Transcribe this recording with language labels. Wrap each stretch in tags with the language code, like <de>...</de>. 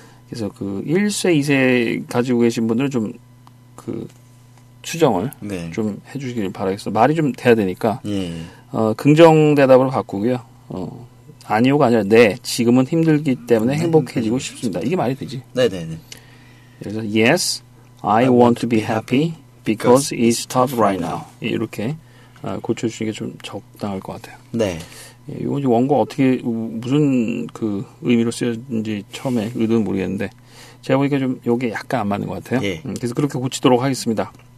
<ko>그래서 그 1세, 2세 가지고 계신 분들은 좀 그 수정을 네. 좀 해주시길 바라겠습니다. 말이 좀 돼야 되니까, 네. 긍정 대답으로 바꾸고요. 아니요가 아니라, 네, 지금은 힘들기 때문에 행복해지고 싶습니다. 이게 말이 되지. 네네네. 네, 네. 그래서,</ko> <en>yes, I want to be happy because it's tough right now.</en> <ko>이렇게. 고쳐주시는 게 좀 적당할 것 같아요. 네. 이건 이제 원고 어떻게, 무슨 그 의미로 쓰였는지 처음에 의도는 모르겠는데, 제가 보니까 좀 이게 약간 안 맞는 것 같아요. 예. 그래서 그렇게 고치도록 하겠습니다.</ko>